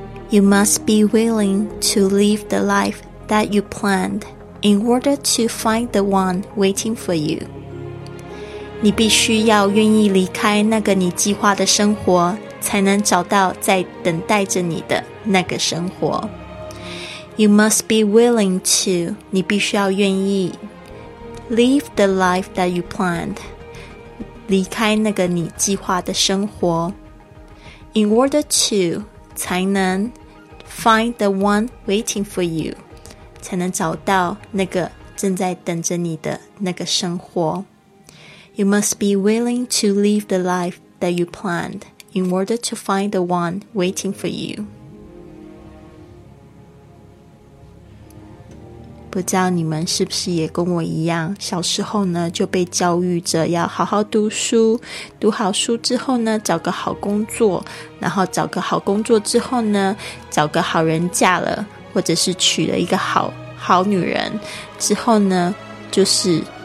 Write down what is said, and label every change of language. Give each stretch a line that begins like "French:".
English: You must be willing to live the life that you planned in order to find the one waiting for you.
Chinese: 你必须要愿意离开那个你计划的生活，才能找到在等待着你的那个生活。
English: You must be willing to,
Chinese: 你必须要愿意
English: live the life that you planned,
Chinese: 离开那个你计划的生活
English: in order to,
Chinese: 才能
English: Find the one waiting for you,
Chinese: 才能找到那个正在等着你的那个生活。
English: You must be willing to live the life that you planned in order to find the one waiting for you.
Chinese: 不知道你们是不是也跟我一样，小时候呢就被教育着要好好读书，读好书之后呢找个好工作，然后找个好工作之后呢找个好人嫁了，或者是娶了一个好女人之后呢，就是